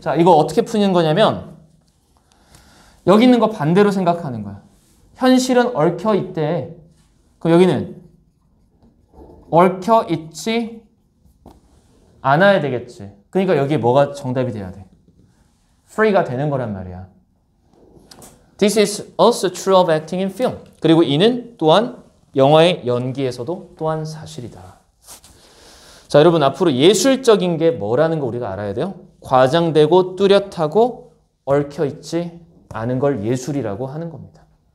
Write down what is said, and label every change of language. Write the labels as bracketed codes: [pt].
[ko] 자, 이거 어떻게 푸는 거냐면 여기 있는 거 반대로 생각하는 거야. 현실은 얽혀있대. 그럼 여기는 얽혀있지 않아야 되겠지. 그러니까 여기 뭐가 정답이 돼야 돼? Free가 되는 거란 말이야. [en] This is also true of acting in film. [ko] 그리고 이는 또한 영화의 연기에서도 또한 사실이다. 자, 여러분 앞으로 예술적인 게 뭐라는 거 우리가 알아야 돼요? 과장되고 뚜렷하고 얽혀있지 않은 걸 예술이라고 하는 겁니다.